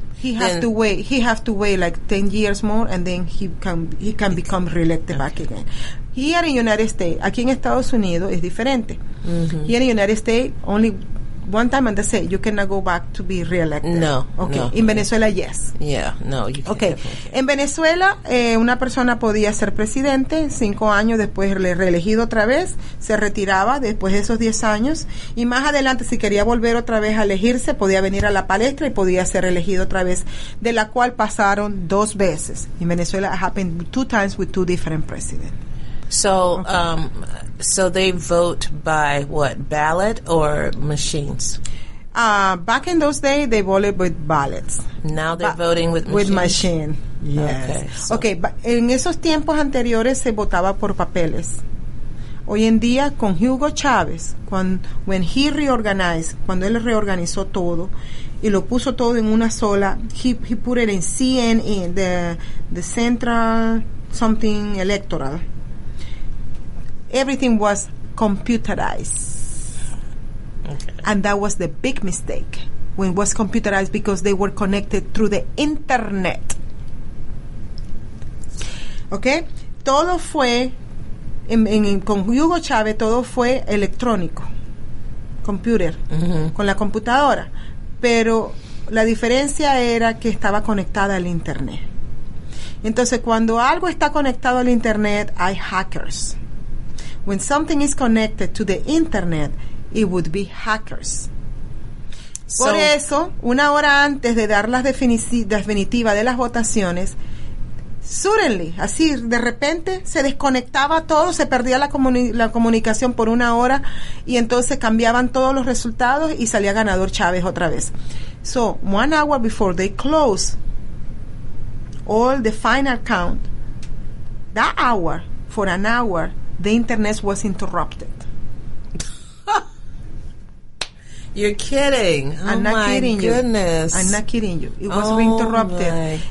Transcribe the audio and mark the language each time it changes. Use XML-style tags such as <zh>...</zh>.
<en>He has to wait like 10 years more and then he can become reelected back again. Here in United States,</en> <es>aquí en Estados Unidos es diferente.</es> <en>Mm-hmm. Here in United States, only one time and they say you cannot go back to be reelected. No. Okay. No. In Venezuela, yes. Yeah. No. You can't. Okay.</en> <es>En Venezuela, una persona podía ser presidente 5 años, después reelegido otra vez, se retiraba después de esos 10 años, y más adelante, si quería volver otra vez a elegirse, podía venir a la palestra y podía ser reelegido otra vez, de la cual pasaron 2 veces.</es> <en>In Venezuela, it happened 2 times with 2 different presidents. So, so they vote by what, ballot or machines? Back in those days, they voted with ballots. Now they're voting with machines. With machine, yes. Okay, but</en> <es>en esos tiempos anteriores se votaba por papeles. Hoy en día, con Hugo Chávez,</es> <en>when he reorganized,</en> <es>cuando él reorganizó todo, y lo puso todo en una sola,</es> <en>he put it in CNN, the Central Something Electoral. Everything was computerized. Okay. And that was the big mistake when it was computerized, because they were connected through the internet. Okay?</en> <es>Todo fue, con Hugo Chávez, todo fue electrónico.</es> <en>Computer. Mm-hmm.</en> <es>Con la computadora. Pero la diferencia era que estaba conectada al internet. Entonces, cuando algo está conectado al internet, hay hackers.</es> <en>When something is connected to the internet, it would be hackers. So,</en> <es>por eso, una hora antes de dar las definitiva de las votaciones, suddenly, así de repente, se desconectaba todo, se perdía la comunicación por una hora, y entonces cambiaban todos los resultados y salía ganador Chávez otra vez.</es> <en>So, 1 hour before they close all the final count, that hour, for an hour, the internet was interrupted. You're kidding. I'm not kidding you. It was interrupted.</en>